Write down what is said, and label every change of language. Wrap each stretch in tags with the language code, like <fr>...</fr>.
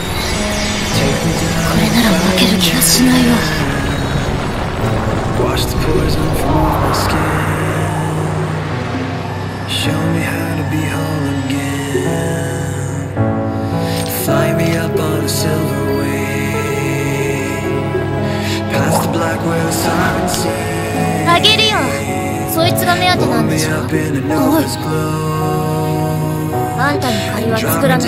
<ja>これなら負ける気がしないわ。</ja> <en>Watch the poison from my skin. Show me how to be whole again. Fly me up on a silver wing. Past the black where the sirens sing.</en> <ja>アゲリオン、そいつが目当てなんでしょ。おい、あんたの借りは作らない。</ja>